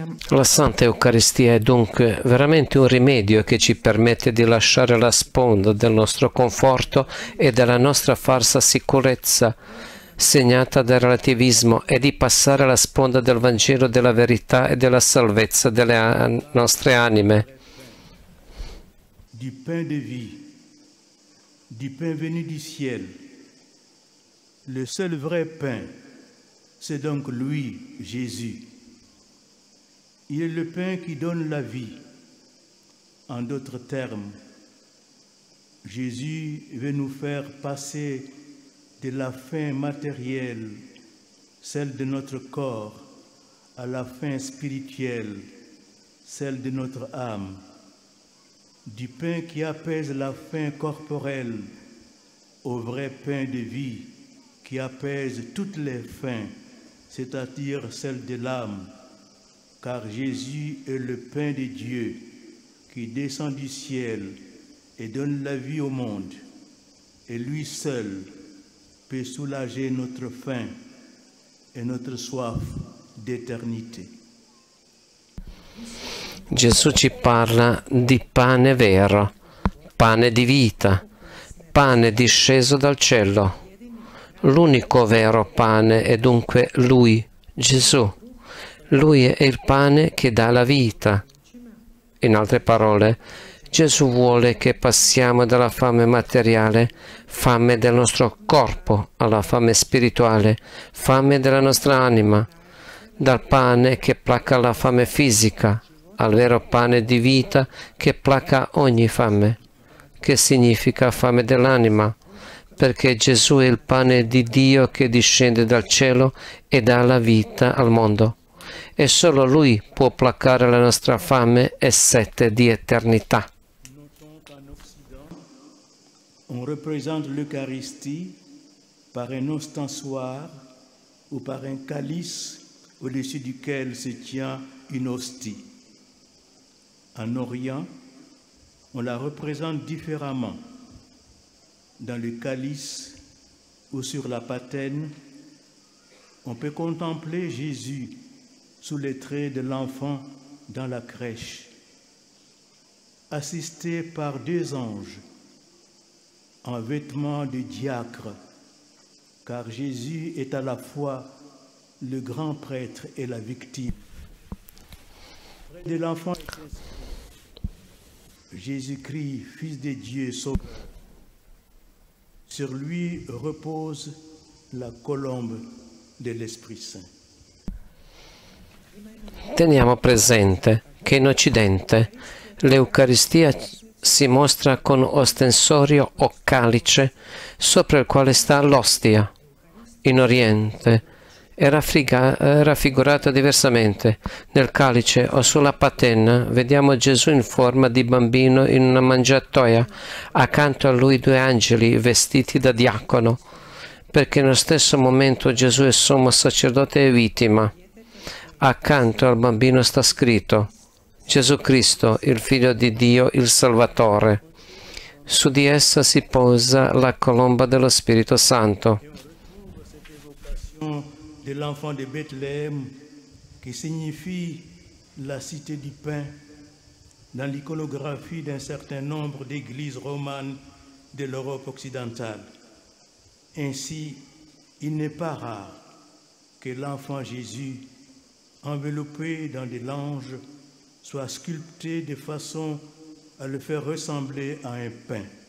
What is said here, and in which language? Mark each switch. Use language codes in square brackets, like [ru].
[it] La Santa Eucaristia è dunque veramente un rimedio che ci permette di lasciare la sponda del nostro conforto e della nostra falsa sicurezza segnata dal relativismo e di passare la sponda del Vangelo della verità e della salvezza delle nostre anime. [fr] Du pain de vie, du pain venu du ciel, le seul vrai pain, c'est donc lui, Jésus. Il est le pain qui donne la vie. En d'autres termes, Jésus veut nous faire passer de la faim matérielle, celle de notre corps, à la faim spirituelle, celle de notre âme. Du pain qui apaise la faim corporelle au vrai pain de vie qui apaise toutes les faims, c'est-à-dire celle de l'âme. Car Jésus est le pain de Dieu qui descend du ciel et donne la vie au monde. Et lui seul peut soulager notre faim et notre soif d'éternité. [it] Gesù ci parla di pane vero, pane di vita, pane disceso dal cielo. L'unico vero pane è dunque Lui, Gesù. Lui è il pane che dà la vita. In altre parole, Gesù vuole che passiamo dalla fame materiale, fame del nostro corpo, alla fame spirituale, fame della nostra anima, dal pane che placa la fame fisica, al vero pane di vita che placa ogni fame. Che significa fame dell'anima? Perché Gesù è il pane di Dio che discende dal cielo e dà la vita al mondo. E solo Lui può placare la nostra fame e sette di eternità. [fr] Notons qu'en Occident, on représente l'Eucharistie par un ostensoir ou par un calice au-dessus duquel se tient une hostie. En Orient, on la représente différemment, dans le calice ou sur la patène. On peut contempler Jésus sous les traits de l'enfant dans la crèche, assisté par deux anges en vêtements de diacre, car Jésus est à la fois le grand prêtre et la victime. Près de l'enfant, Jésus-Christ, fils de Dieu, sauveur, sur lui repose la colombe dell'Esprit Saint. [it] Teniamo presente che in Occidente l'Eucaristia si mostra con ostensorio o calice sopra il quale sta l'ostia. In Oriente è raffigurata diversamente. Nel calice o sulla patena vediamo Gesù in forma di bambino in una mangiatoia, accanto a lui due angeli vestiti da diacono, perché nello stesso momento Gesù è sommo sacerdote e vittima. Accanto al bambino sta scritto Gesù Cristo, il Figlio di Dio, il Salvatore. Su di essa si posa la colomba dello Spirito Santo. [fr] Dell'enfant de Bethléem, [it] che significa [fr] la cité du pain, dans l'iconographie d'un certain nombre d'églises romanes de l'Europe occidentale. Ainsi, il n'est pas rare que l'enfant Jésus, enveloppé dans des langes, soit sculpté de façon à le faire ressembler à un pain.